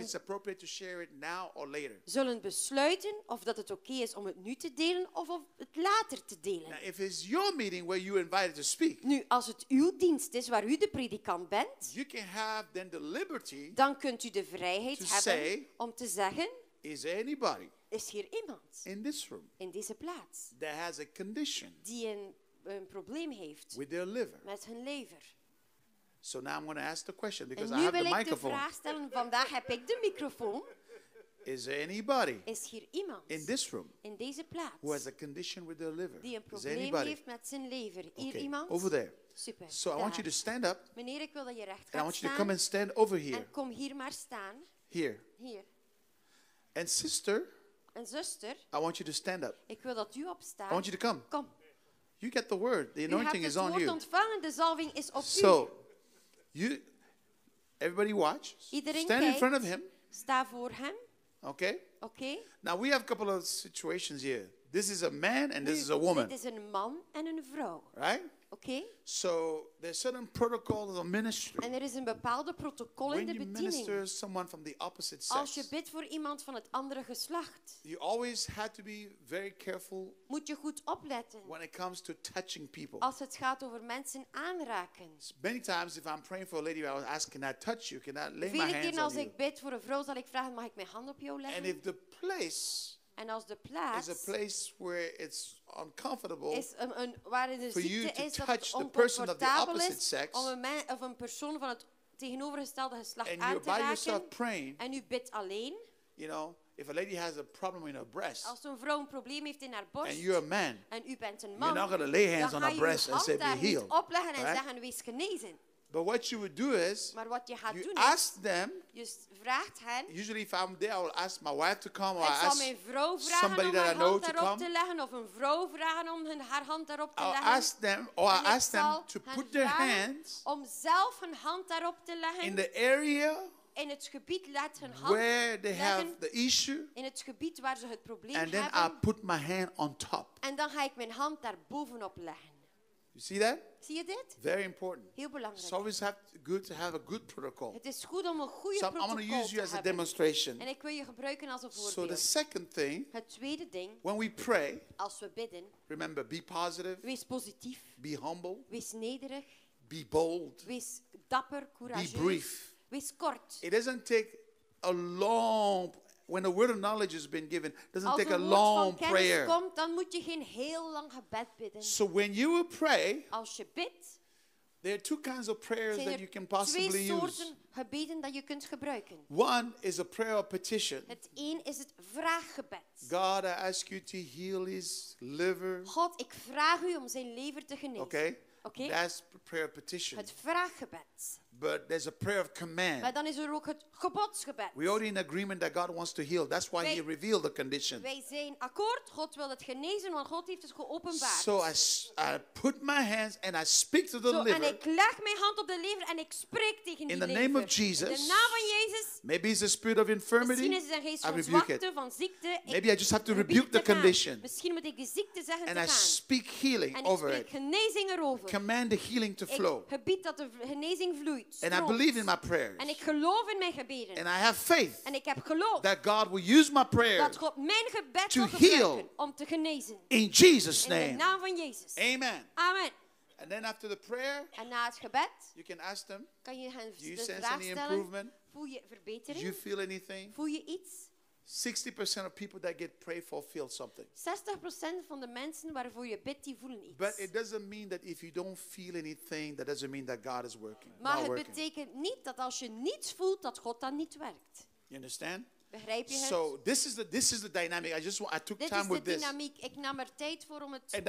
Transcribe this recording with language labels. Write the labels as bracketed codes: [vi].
[en] it's appropriate to share it now or later. [nl] Zullen besluiten of dat het oké is om het nu te delen of het later te delen. [en] Now, if it's your meeting where you're invited to speak, [nl] nu, als het uw dienst is waar u de predikant bent, [en] you can have then the liberty [nl] dan kunt u de vrijheid hebben [en] say, [nl] om te zeggen, [en] is anybody [nl] is hier iemand [en] in this room [nl] in deze plaats [en] that has a condition [nl] die een probleem heeft [en] with their liver [nl] met hun lever. [en] So now I'm going to ask the question because I have the microphone. [nl] En nu wil ik de vraag stellen. Vandaag heb ik de microfoon. [en] Is anybody [nl] is hier iemand [en] in this room [nl] in deze plaats [en] who has a condition with their liver [nl] die een probleem heeft met zijn lever? Hier [en] okay. [nl] Iemand [en] over there. Super. So [nl] daar. [en] I want you to stand up. [nl] Meneer, ik wil dat je recht [en] gaat. I want you to come and stand over here. [nl] En kom hier maar staan. [en] Here. [nl] Hier. [en] And sister, [nl] en zuster, [en] I want you to stand up. [nl] Ik wil dat u opstaat. [en] I want you to come. [nl] Kom. [en] You get the word. The anointing is on you. [nl] U hebt het woord ontvangen. De zalving is op u. [en] So, you, everybody watch. [nl] Iedereen [en] stand [nl] kijkt. [en] In front of him. [nl] Sta voor hem. Okay. Okay. [en] Now we have a couple of situations here. This is a man and this is a woman. [nl] Dit is een man en een vrouw. [en] Right? Okay. So there's certain protocol of the ministry. [nl] En er is een bepaalde protocol in de bediening. [en] When you minister someone from the opposite sex. [nl] Als je bidt voor iemand van het andere geslacht. [en] You always have to be very careful. [nl] Moet je goed opletten. [en] When it comes to touching people. [nl] Als het gaat over mensen aanraken. [en] Many times if I'm praying for a lady, I was asking, can I touch you? Can I lay my hands on you? [nl] Vele keer als ik bid voor een vrouw, zal ik vragen, mag ik mijn hand op jou leggen? [en] And if the place. [nl] En als de plaats [en] is a place where it's uncomfortable [nl] is waarin de [en] for you [nl] ziekte is [en] to touch the person of the opposite sex [nl] om een man of een persoon van het tegenovergestelde geslacht [en] and [nl] aan [en] you're [nl] te raken [en] by yourself praying, [nl] en u bidt alleen, [en] you know, if a lady has a problem in her breast, [nl] als een vrouw een probleem heeft in haar borst [en] and you're a man, [nl] en u bent een man, [en] you're not going to lay hands on her breast and say be healed, [nl] dan ga je opleggen en zeggen wees genezen. [en] But what you would do is, [nl] maar wat je gaat [en] you [nl] doen [en] ask [nl] is, [en] them, [nl] je vraagt hen, [en] usually if I'm there, I will ask my wife to come, or I ask [nl] mijn vrouw vragen [en] somebody [nl] om [en] that [nl] haar [en] I know [nl] hand [en] to come, [nl] te leggen, of een vrouw vragen om haar hand daarop te [en] I'll [nl] leggen, [en] ask them, or I'll ask them to put their hands [nl] om zelf hun hand daarop te leggen, [en] in the area [nl] in het gebied laat hun hand [en] where they [nl] leggen, [en] have the issue, [nl] in het gebied waar ze het probleem [en] and [nl] hebben, [en] then I'll put my hand on top. [nl] En dan ga ik mijn hand daar bovenop leggen. [en] You see that? [nl] Zie je dit? [en] Very important. [nl] Heel belangrijk. [en] It's always have to, good to have a good protocol. [nl] Het is goed om een goede [en] so [nl] protocol te hebben. [en] So I'm going to use you as a demonstration. [nl] En ik wil je gebruiken als een voorbeeld. [en] So the second thing. [nl] Het tweede ding. [en] When we pray. [nl] Als we bidden. [en] Remember, be positive. [nl] Wees positief. [en] Be humble. [nl] Wees nederig. [en] Be bold. [nl] Wees dapper, courageus. [en] Be brief. [nl] Wees kort. [en] It doesn't take a long when the word of knowledge has been given, it doesn't [nl] als [en] take a long prayer. [nl] Komt, dan moet je geen heel lang gebed bidden. [en] So when you will pray, [nl] als je bidt, [en] There are two kinds of prayers that you can possibly use. [nl] Twee soorten gebeden dat je kunt gebruiken. [en] One is a prayer of petition. [nl] Het één is het vraaggebed. [en] God, I ask you to heal his liver. [nl] God, ik vraag u om zijn lever te genezen. [en] Okay. Okay. That's prayer of petition. [nl] Het vraaggebed. [en] But there's a prayer of command. [nl] Maar dan is er ook het gebodsgebed. [en] We are in agreement that God wants to heal. That's why he revealed the condition. [nl] Wij zijn akkoord. God wil het genezen, want God heeft het geopenbaard. [en] So I put my hands and I speak to the liver. [nl] En ik leg mijn hand op de lever en ik spreek tegen die lever. [en] In the name of Jesus. [nl] In de naam van Jezus. [en] Maybe it's a spirit of infirmity. [nl] Misschien is het een geest van zwakte, van ziekte. [en] Maybe I just have to rebuke the condition. [nl] Misschien moet ik de ziekte zeggen te gaan. [en] And I speak healing over it. [nl] En ik spreek genezing erover. [en] Command the healing to flow. [nl] Ik gebied dat de genezing vloeit. [en] And I believe in my prayers. [nl] En ik geloof in mijn gebeden. [en] And I have faith. [nl] En ik heb geloof. [en] That God will use my prayers. [nl] Dat God mijn gebed [en] to heal. [nl] Om te genezen. [en] In Jesus' name. [nl] In de naam van Jezus. [en] Amen. [nl] Amen. [en] And then after the prayer. [nl] En na het gebed. [en] You can ask them. [nl] Kan je hen [en] do you sense any improvement? [nl] Voel je verbetering? [en] Do you feel anything? [nl] Voel je iets? [en] 60% of people that get prayed for feel something. [nl] 60% van de mensen waarvoor je bidt, die voelen iets. [en] But it doesn't mean that if you don't feel anything, that doesn't mean that God is working. [nl] Maar het betekent niet dat als je niets voelt, dat God dan niet werkt. [en] You understand? [nl] Begrijp je het? [en] So this is the dynamic. I took time with this. [nl] Dit is de dynamiek. Ik nam er tijd voor om het te tonen.